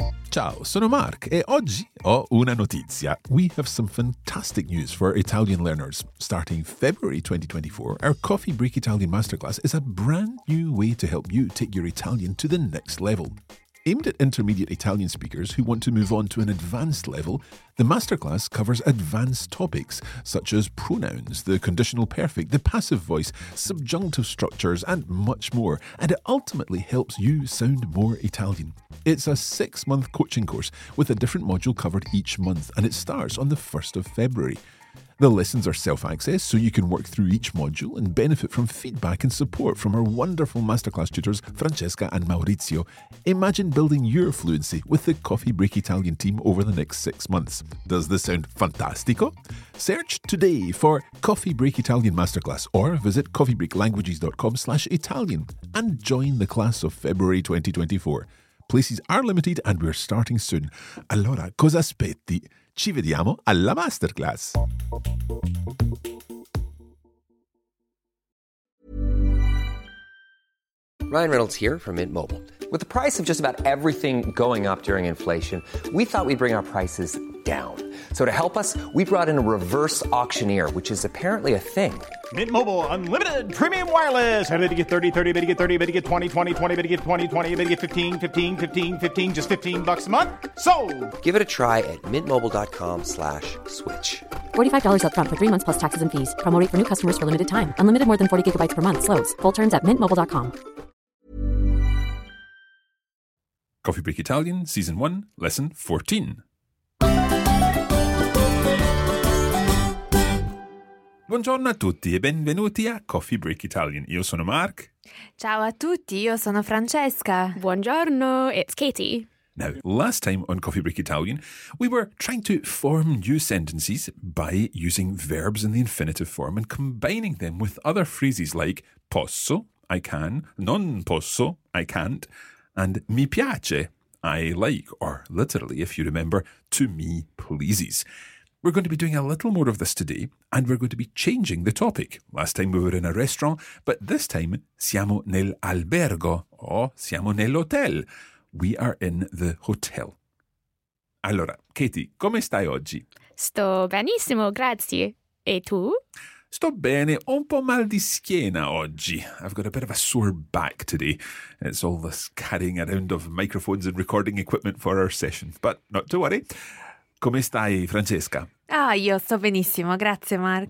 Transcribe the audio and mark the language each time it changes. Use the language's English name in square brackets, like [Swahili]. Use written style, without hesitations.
[Italian] Ciao, sono Mark e oggi ho una notizia. [English] We have some fantastic news for Italian learners. Starting February 2024, our Coffee Break Italian Masterclass is a brand new way to help you take your Italian to the next level. Aimed at intermediate Italian speakers who want to move on to an advanced level, the masterclass covers advanced topics such as pronouns, the conditional perfect, the passive voice, subjunctive structures, and much more, and it ultimately helps you sound more Italian. It's a six-month coaching course with a different module covered each month, and it starts on the 1st of February. The lessons are self-access, so you can work through each module and benefit from feedback and support from our wonderful masterclass tutors, Francesca and Maurizio. Imagine building your fluency with the Coffee Break Italian team over the next 6 months. Does this sound fantastico? Search today for Coffee Break Italian Masterclass or visit coffeebreaklanguages.com/Italian and join the class of February 2024. Places are limited and we're starting soon. [Italian] Allora, cosa aspetti? Ci vediamo alla masterclass. [English] Ryan Reynolds here from Mint Mobile. With the price of just about everything going up during inflation, we thought we'd bring our prices down. So to help us, we brought in a reverse auctioneer, which is apparently a thing. Mint Mobile Unlimited Premium Wireless. How to get 30, 30, how to get 30, how to get 20, 20, 20, how to get 20, 20, how to get 15, 15, 15, 15, just $15 a month? Sold! Give it a try at mintmobile.com/switch. $45 up front for 3 months plus taxes and fees. Promo rate for new customers for limited time. Unlimited more than 40 gigabytes per month. Slows full terms at mintmobile.com. Coffee Break Italian, Season 1, Lesson 14. [Italian] Buongiorno a tutti e benvenuti a Coffee Break Italian. Io sono Mark. Ciao a tutti, io sono Francesca. [English] Buongiorno, it's Katie. Now, last time on Coffee Break Italian, we were trying to form new sentences by using verbs in the infinitive form and combining them with other phrases like posso, I can, non posso, I can't, and mi piace, I like, or literally, if you remember, to me pleases. We're going to be doing a little more of this today, and we're going to be changing the topic. Last time we were in a restaurant, but this time [Italian] siamo nell'albergo, [English] or [Italian] siamo nell'hotel. [English] We are in the hotel. [Italian] Allora, Katie, come stai oggi? Sto benissimo, grazie. E tu? Sto bene, ho un po' mal di schiena oggi. [English] I've got a bit of a sore back today. It's all this carrying around of microphones and recording equipment for our session, but not to worry. [Italian] Come stai, Francesca? Ah, io sto benissimo, grazie, Mark.